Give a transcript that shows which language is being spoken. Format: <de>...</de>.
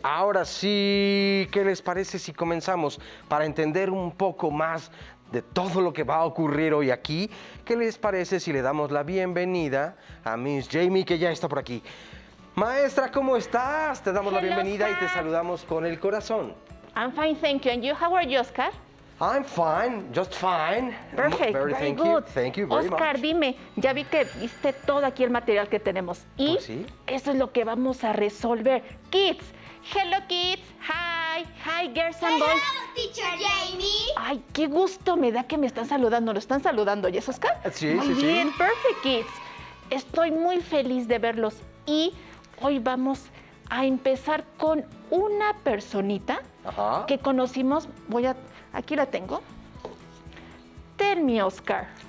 <es>Ahora sí, ¿qué les parece si comenzamos para entender un poco más de todo lo que va a ocurrir hoy aquí? ¿Qué les parece si le damos la bienvenida a Miss Jamie, que ya está por aquí? Maestra, ¿cómo estás? Te damos la bienvenida y te saludamos con el corazón.</es> <en>I'm fine, thank you. And you, how are you, Oscar? I'm fine, just fine. Perfect, very good. Thank you very Oscar, much.</en> <es>Oscar, dime, ya vi que viste todo aquí el material que tenemos. Y pues sí. Eso es lo que vamos a resolver.</es> <en>Kids, hello kids, hi, hi girls and boys. Hello, teacher Jamie.</en> <es>Ay, qué gusto me da que me están saludando. ¿Lo están saludando, yes, Oscar? Sí, muy bien.</es> <en>Perfect, kids.</en> <es>Estoy muy feliz de verlos. Y hoy vamos a empezar con una personita que conocimos. Aquí la tengo.</es> <en>Tell me, Oscar.</en>